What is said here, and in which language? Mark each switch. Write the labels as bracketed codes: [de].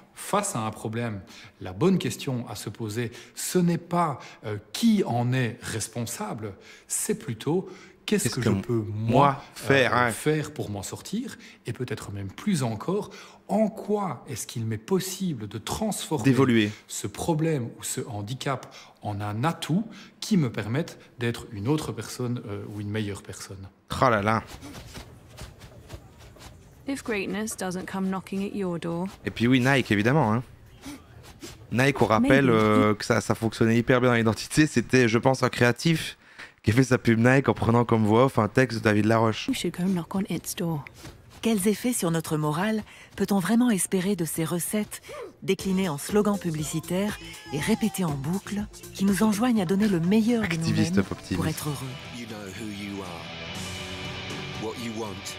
[fr] Face à un problème, la bonne question à se poser, ce n'est pas qui en est responsable, c'est plutôt qu'est-ce que je peux faire pour m'en sortir, et peut-être même plus encore, en quoi est-ce qu'il m'est possible de transformer ce problème ou ce handicap en un atout qui me permette d'être une autre personne ou une meilleure personne. Oh là là. [en] If greatness doesn't come knocking at your door. [fr] Et puis oui, Nike, évidemment. Hein. Nike, on rappelle que ça fonctionnait hyper bien dans l'identité. C'était, je pense, un créatif qui a fait sa pub Nike en prenant comme voix off un texte de David Laroche. [en] You should go knock on its door. [fr] Quels effets sur notre morale peut-on vraiment espérer de ces recettes déclinées en slogans publicitaires et répétées en boucle qui nous enjoignent à donner le meilleur activiste de nous-mêmes pour être heureux. [en] You know who you are, what you want.